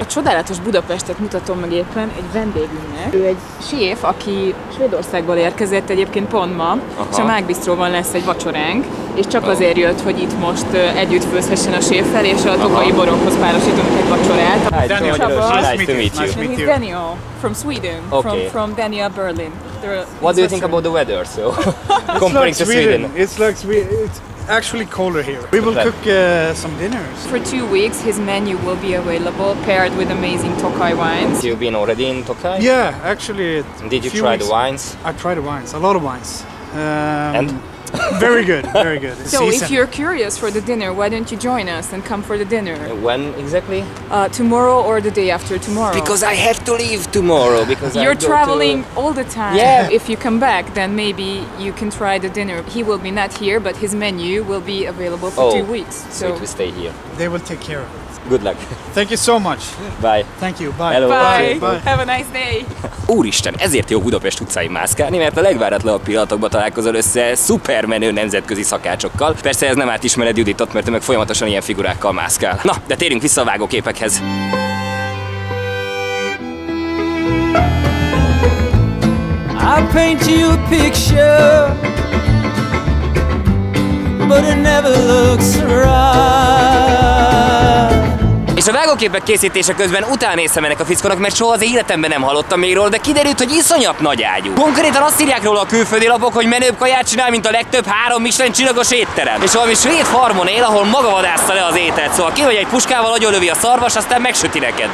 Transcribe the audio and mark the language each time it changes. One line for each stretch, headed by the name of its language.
Hungarian: A csodálatos Budapestet mutatom meg éppen egy vendégünknek. Ő egy séf, aki Svédországból érkezett egyébként pont ma. Megbisztróban lesz egy vacsoránk, és csak azért jött, hogy itt most együtt főzhessen a séffel, és a tokai borokhoz párosítunk egy vacsorát.
English: Daniel, nice to meet you. He's Daniel, from Sweden, from Dania, Berlin. What do you think about the weather, so, comparing to Sweden? It's like actually colder here. We will cook some dinners. For 2 weeks, his menu will be available, paired with amazing Tokaj wines. You've been already in Tokaj? Yeah, actually. Did you try the wines? I tried the wines, a lot of wines. And? Very good, very good. So, season. If you're curious for the dinner, why don't you join us and come for the dinner? When exactly? Tomorrow or the day after tomorrow? Because I have to leave tomorrow. Because you're I traveling to... all the time. Yeah. If you come back, then maybe you can try the dinner. He will be not here, but his menu will be available for 2 weeks. So it will stay here. They will take care of it. Good luck. Thank you so much. Bye. Thank you. Bye. Hello. Bye. Bye. Have a nice day.
Hungarian: Úristen, ezért jó Budapest utcáin mászkálni, mert a legváratlanabb pillanatokban találkozol össze szupermenő nemzetközi szakácsokkal. Persze ez nem átismered Juditot, mert ő meg folyamatosan ilyen figurákkal mászkál. Na, de térjünk vissza a vágóképekhez.
English: I'll paint you a picture, but it never looks right.
Hungarian: És a vágóképek készítése közben utánéztem ennek a fickónak, mert soha az életemben nem hallottam még róla, de kiderült, hogy iszonyat nagy ágyú. Konkrétan azt írják róla a külföldi lapok, hogy menőbb kaját csinál, mint a legtöbb 3 Michelin csillagos étterem. És valami svéd farmon él, ahol maga vadászta le az ételt, szóval kivagy egy puskával, agyonlövi a szarvas, aztán megsüti neked.